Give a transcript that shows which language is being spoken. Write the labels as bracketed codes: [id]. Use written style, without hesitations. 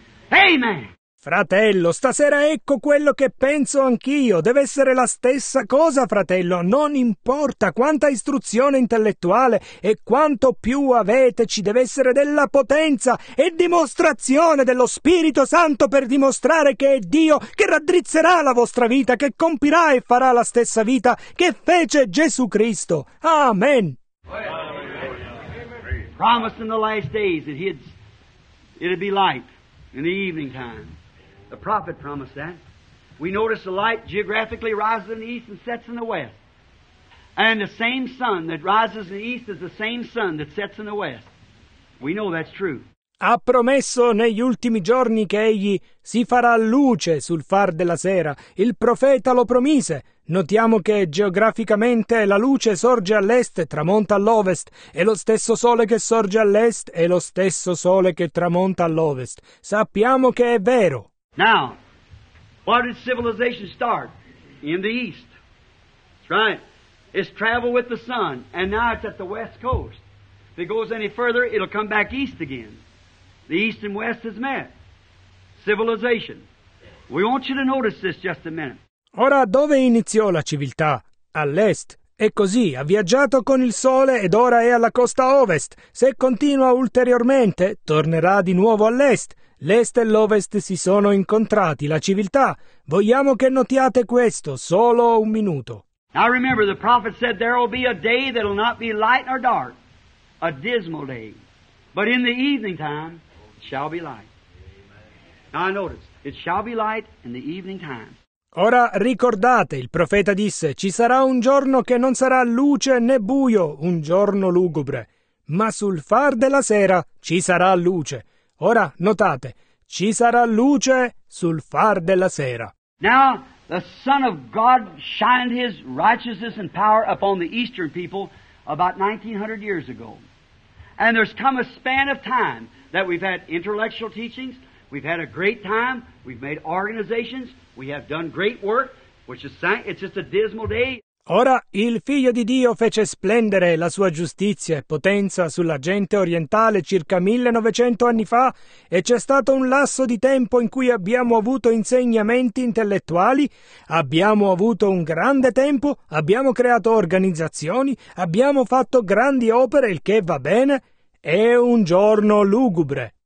[en] Amen! [it] Fratello, stasera ecco quello che penso anch'io. Deve essere la stessa cosa, fratello. Non importa quanta istruzione intellettuale e quanto più avete, ci deve essere della potenza e dimostrazione dello Spirito Santo per dimostrare che è Dio che raddrizzerà la vostra vita, che compirà e farà la stessa vita che fece Gesù Cristo. [en] Amen. Promised in the last days that it'd be light in the evening time. The prophet promised that. We notice the light geographically rises in the east and sets in the west. And the same sun that rises in the east is the same sun that sets in the west. We know that's true. [it] Ha promesso negli ultimi giorni che egli si farà luce sul far della sera. Il profeta lo promise. Notiamo che geograficamente la luce sorge all'est e tramonta all'ovest. È lo stesso sole che sorge all'est e lo stesso sole che tramonta all'ovest. Sappiamo che è vero. [en] Now, where did civilization start? In the east. That's right. It's travel with the sun, and now it's at the west coast. If it goes any further, it'll come back east again. The east and west has met. Civilization. We want you to notice this just a minute. [it] Ora, dove iniziò la civiltà? All'est. E così, ha viaggiato con il sole ed ora è alla costa ovest. Se continua ulteriormente, tornerà di nuovo all'est. L'est e l'ovest si sono incontrati, la civiltà. Vogliamo che notiate questo, solo un minuto. [en] Now remember, the prophet said there will be a day that will not be light nor dark, a dismal day. But in the evening time, it shall be light. Now notice, it shall be light in the evening time. [it] Ora ricordate, il profeta disse, ci sarà un giorno che non sarà luce né buio, un giorno lugubre, ma sul far della sera ci sarà luce. Ora notate, ci sarà luce sul far della sera. [en] Now the Son of God shined his righteousness and power upon the Eastern people about 1900 years ago. And there's come a span of time that we've had intellectual teachings, we've had a great time, we've made organizations, we have done great work, which is it's just a dismal day. [it] Ora il Figlio di Dio fece splendere la sua giustizia e potenza sulla gente orientale circa 1900 anni fa e c'è stato un lasso di tempo in cui abbiamo avuto insegnamenti intellettuali, abbiamo avuto un grande tempo, abbiamo creato organizzazioni, abbiamo fatto grandi opere, il che va bene, è un giorno lugubre.